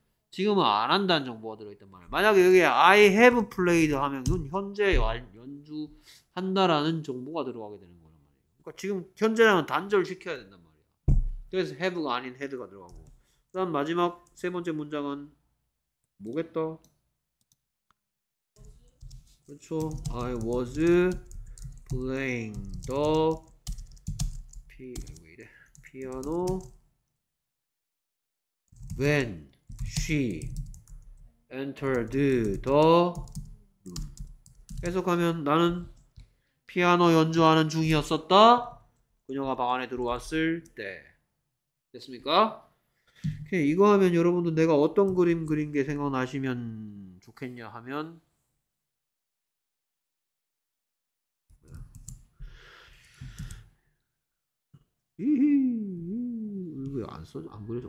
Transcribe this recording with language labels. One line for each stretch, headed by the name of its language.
Korean: 지금은 안 한다는 정보가 들어있단 말이야. 만약에 여기에 I have played 하면 이건 현재 연주한다라는 정보가 들어가게 되는 거란 말이야. 그러니까 지금 현재랑은 단절시켜야 된단 말이야. 그래서 have가 아닌 had가 들어가고. 그다음 마지막 세 번째 문장은 뭐겠다? 그렇죠.
English: I was playing the piano when she entered the room.
Korean: 계속하면 나는 피아노 연주하는 중이었었다. 그녀가 방 안에 들어왔을 때. 됐습니까? 오케이, 이거 하면 여러분도 내가 어떤 그림 그린 게 생각나시면 좋겠냐 하면 이거 안 써져? 안 그려져?